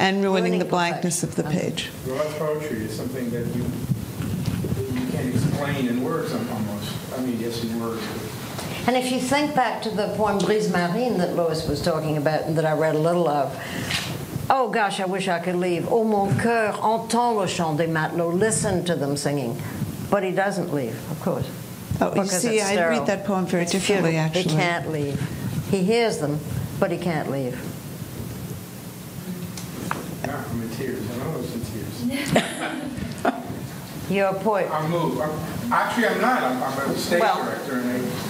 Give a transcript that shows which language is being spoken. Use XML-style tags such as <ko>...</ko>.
<en>And ruining the blankness of the page. Broad poetry is something that you can't explain in words, almost. I mean, yes, in words. And if you think back to the poem Brise Marine that Lois was talking about and that I read a little of, oh, gosh, I wish I could leave.</en> <fr>Oh, mon cœur, entend le chant des matelots.</fr> <en>Listen to them singing. But he doesn't leave, of course. Oh, you see, I read that poem very differently, actually. He can't leave. He hears them, but he can't leave. I'm in tears. I know it's in tears. You're a poet. I'm moved. Actually, I'm not. I'm a stage director. And</en>